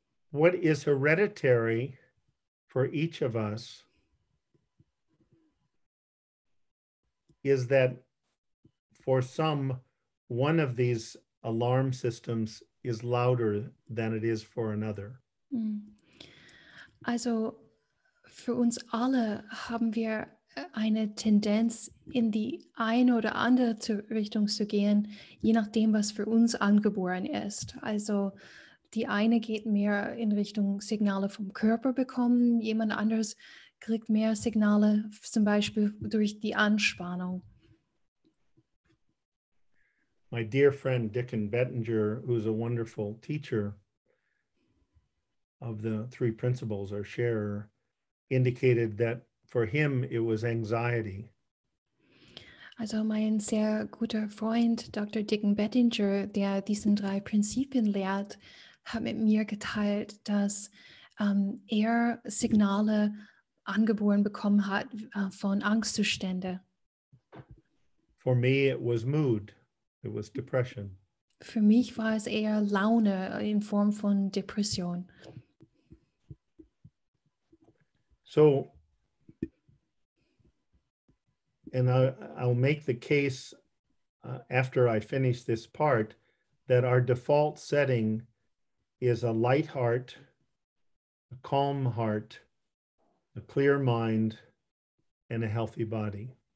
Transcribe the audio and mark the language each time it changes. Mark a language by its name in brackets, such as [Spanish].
[English] What is hereditary for each of us is that for some, one of these alarm systems is louder than it is for another. [German] Also, für uns alle haben wir eine Tendenz, in die eine oder andere Richtung zu gehen, je nachdem, was für uns angeboren ist. Also, die eine geht mehr in Richtung Signale vom Körper bekommen, jemand anderes kriegt mehr Signale, zum Beispiel durch die Anspannung. [English] My dear friend Dickon Bettinger, who's a wonderful teacher of the three principles, our sharer, indicated that for him it was anxiety. [German] Also mein sehr guter Freund Dr. Dickon Bettinger, der diesen drei Prinzipien lehrt, hat mit mir geteilt, dass er Signale angeboren bekommen hat von Angstzustände. [English] For me it was mood. It was depression. [German] Für mich war es eher Laune in Form von Depression. [English] So, and I'll make the case after I finish this part that our default setting is a light heart, a calm heart, a clear mind, and a healthy body.